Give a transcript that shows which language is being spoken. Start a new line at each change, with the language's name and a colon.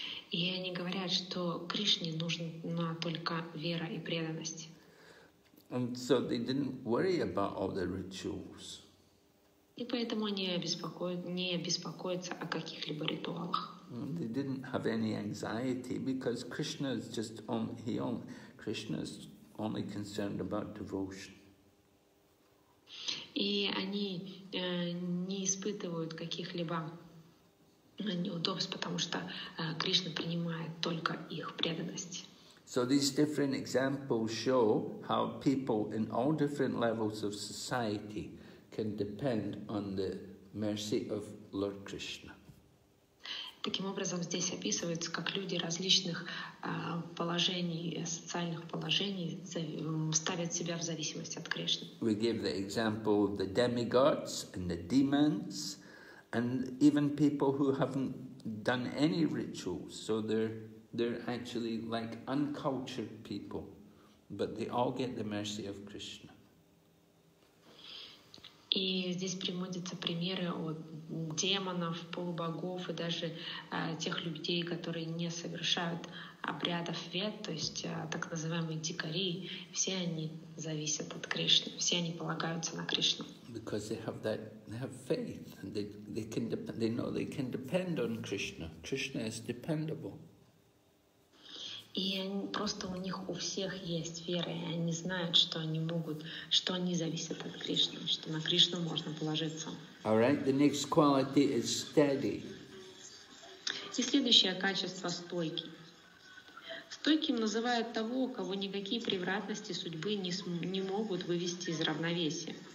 Russian: И они говорят, что Кришне нужна только вера и преданность.
English: And so they didn't worry about all the rituals.
Russian: И поэтому они не беспокоятся о каких-либо ритуалах.
English: And they didn't have any anxiety because Krishna is just Krishna is only concerned about devotion.
Russian: И они не испытывают каких-либо неудобств, потому что Кришна принимает только их преданность.
English: So these different examples show how people in all different levels of society can depend on the mercy of Lord Krishna.
Russian: Таким образом, здесь описывается, как люди различных положений, социальных положений ставят себя в зависимость от Кришны.
English: We give the example of the demigods and the demons, and even people who haven't done any rituals, so they're actually like uncultured people, but they all get the mercy of Krishna.
Russian: И здесь приводятся примеры от демонов, полубогов и даже тех людей, которые не совершают обрядов вед, то есть так называемые дикари, все они зависят от Кришны, все они полагаются на Кришну.
English: Because they have that, they have faith, and they know they can depend on Krishna. Krishna is dependable.
Russian: И они, просто у них у всех есть вера, и они знают, что они могут, что они зависят от Кришны, что на Кришну можно положиться.
English: All right, the next quality is steady.
Russian: И следующее качество – стойкий. Стойким называют того, кого никакие превратности судьбы не могут вывести из равновесия.